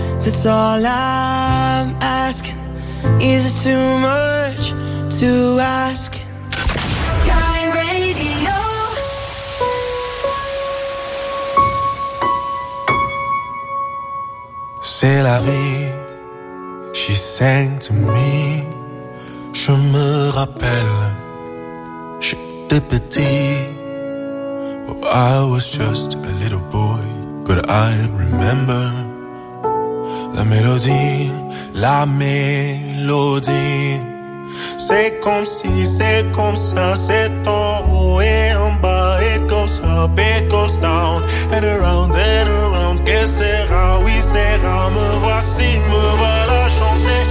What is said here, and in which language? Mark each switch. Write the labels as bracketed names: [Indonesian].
[English] That's all I'm asking, is it too much to ask? Sky Radio. C'est la vie, she sang to me. [French] Je me rappelle, j'étais petit. [English] I was just a little boy, but I remember la mélodie, la mélodie. [French] C'est comme si, c'est comme ça, c'est ton haut et en bas. [English] It goes up, it goes down, and around, que sera, oui, sera. [French] Me voici, me voilà, chanter.